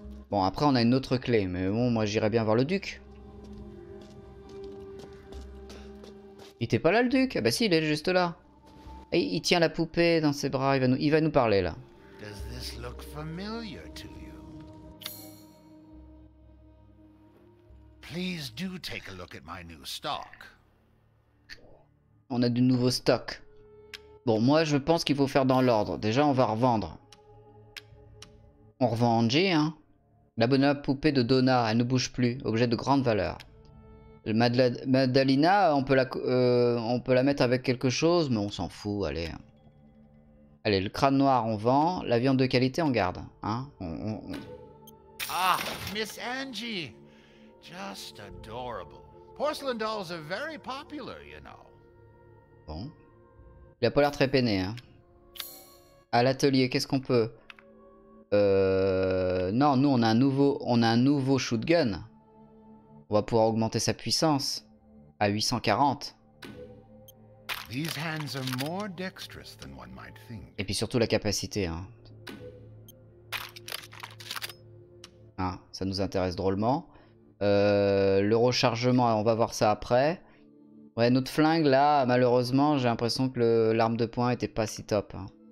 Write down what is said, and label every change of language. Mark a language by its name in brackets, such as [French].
[French] Bon après on a une autre clé, mais bon moi j'irai bien voir le duc. Il était pas là le duc? Ah bah si, il est juste là. Et il tient la poupée dans ses bras, il va nous parler là. [English] Does this look familiar to you? Please do take a look at my new stock. [French] On a du nouveau stock. Bon, moi je pense qu'il faut faire dans l'ordre. Déjà, on va revendre. On revend Angie, hein. La bonne poupée de Donna, elle ne bouge plus. Objet de grande valeur. Madalina, on peut la mettre avec quelque chose, mais on s'en fout, allez. Allez, le crâne noir, on vend. La viande de qualité, on garde. Hein? On... [English] Ah, Miss Angie! Just adorable. Porcelain dolls are very popular, you know. [French] Bon. Il a pas l'air très peiné, hein. À l'atelier, qu'est-ce qu'on peut? Non, nous, on a un nouveau shootgun. On va pouvoir augmenter sa puissance à 840. [English] These hands are more dexterous than one might think. [French] Et puis surtout la capacité, hein. Ah, ça nous intéresse drôlement. Le rechargement, on va voir ça après. Ouais, notre flingue, là, malheureusement, j'ai l'impression que l'arme de poing était pas si top. Hein.